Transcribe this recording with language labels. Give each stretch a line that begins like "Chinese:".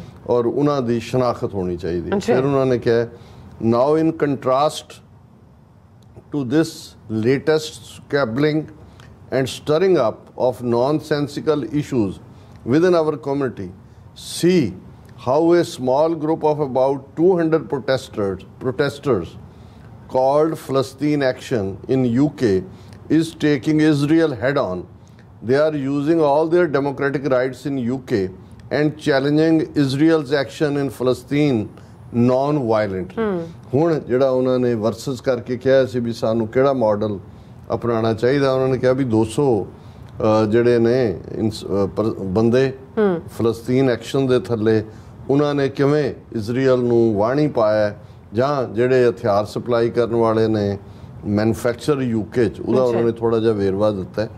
Punjabi: ਔਰ ਉਹਨਾਂ ਦੀ ਸ਼ਨਾਖਤ ਹੋਣੀ ਚਾਹੀਦੀ ਫਿਰ ਉਹਨਾਂ ਨੇ ਕਿਹਾ
English: Now in contrast to this latest squabbling and string up of nonsensical issues within our community See how a small group of about 200 protesters called Palestine Action in UK is taking Israel head on. They are using all their democratic rights in UK and challenging Israel's action in Palestine non-violently.
Punjabi: ਹੁਣ ਜਿਹੜਾ ਉਹਨਾਂ ਨੇ versus ਕਰਕੇ ਕਿਹਾ ਸੀ ਵੀ ਸਾਨੂੰ ਕਿਹੜਾ model ਅਪਣਾਉਣਾ ਚਾਹੀਦਾ ਉਹਨਾਂ ਨੇ ਕਿਹਾ ਵੀ 200 ਜਿਹੜੇ ਨੇ ਬੰਦੇ ਫਲਸਤੀਨ ਐਕਸ਼ਨ ਦੇ ਥੱਲੇ ਉਹਨਾਂ ਨੇ ਕਿਵੇਂ ਇਜ਼ਰਾਈਲ ਨੂੰ ਵਾਣੀ ਪਾਇਆ ਜਾਂ ਜਿਹੜੇ ਹਥਿਆਰ ਸਪਲਾਈ ਕਰਨ ਵਾਲੇ ਨੇ ਮੈਨੂਫੈਕਚਰ ਯੂਕੇ 'ਚ ਉਹਦਾ ਉਹਨਾਂ ਨੇ ਥੋੜ੍ਹਾ ਜਿਹਾ ਵੇਰਵਾ ਦਿੱਤਾ